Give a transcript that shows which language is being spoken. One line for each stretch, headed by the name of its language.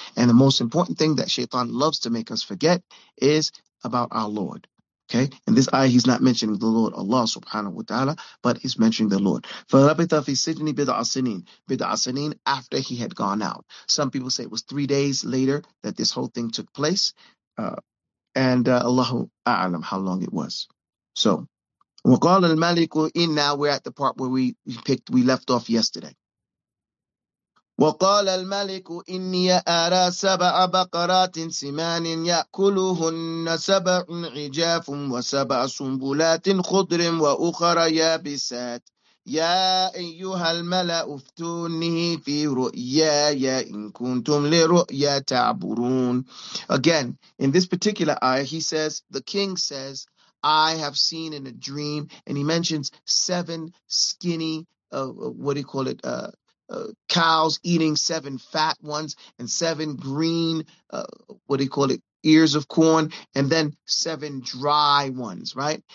English: And the most important thing that shaitan loves to make us forget is about our Lord. Okay? And this ayah, he's not mentioning the Lord, Allah subhanahu wa ta'ala, but he's mentioning the Lord.
Arabic: فَلَبِثَ فِي سِجْنِ بِدْعَ سِنِينَ. بِدْعَ سِنِينَ,
English: after he had gone out. Some people say it was 3 days later that this whole thing took place. And Allahu A'lam how long it was.
Arabic: So, وقال الملك إن.
English: Now we're at the part where we left off yesterday.
Arabic: وقال الملك إني أرى سبع بقرات سمان يأكلهن سبع عجاف وسبع سنبلات خضر وأخرى يابسات يا أيها الملأ افتوني في رؤياي إن كنتم لرؤيا تعبرون.
English: Again, in this particular ayah, he says, the king says, I have seen in a dream, and he mentions seven skinny, cows eating seven fat ones, and seven green, ears of corn, and then seven dry ones, right?